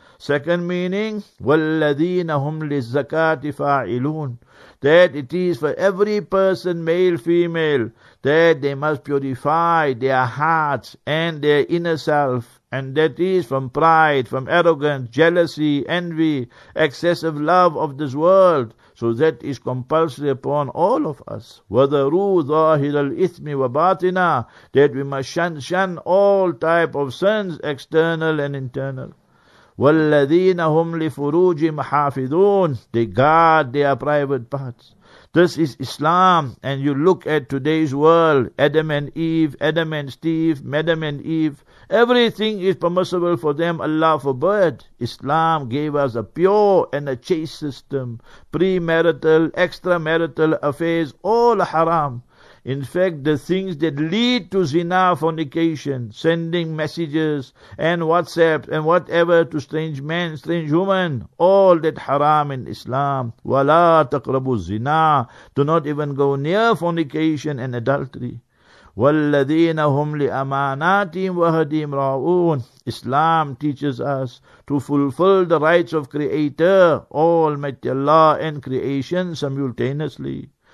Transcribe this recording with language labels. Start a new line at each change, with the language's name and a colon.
English: Second meaning,
Arabic: وَالَّذِينَ هُمْ لِلزَّكَاةِ فَاعِلُونَ.
English: That it is for every person, male, female, that they must purify their hearts and their inner self. And that is from pride, from arrogance, jealousy, envy, excessive love of this world. So that is compulsory upon all of us.
Arabic: وَذَرُوا ظَاهِرَ الْإِثْمِ وَبَاطِنَا.
English: That we must shun all type of sins, external and internal.
Arabic: وَالَّذِينَ هُمْ لِفُرُوجِهِمْ حَافِظُونَ.
English: They guard their private parts. This is Islam. And you look at today's world, Adam and Eve, Adam and Steve, Madam and Eve. Everything is permissible for them, Allah forbid. Islam gave us a pure and a chaste system. Premarital, extramarital affairs, all haram. In fact, the things that lead to zina, fornication, sending messages and WhatsApp and whatever to strange men, strange women, all that haram in Islam.
Arabic: وَلَا تَقْرَبُوا zina.
English: Do not even go near fornication and adultery.
Arabic: وَالَّذِينَ هُمْ لِأَمَانَاتِهِمْ وَهَدِيمْ رَعُونَ.
English: Islam teaches us to fulfill the rights of Creator, Almighty Allah, and creation simultaneously.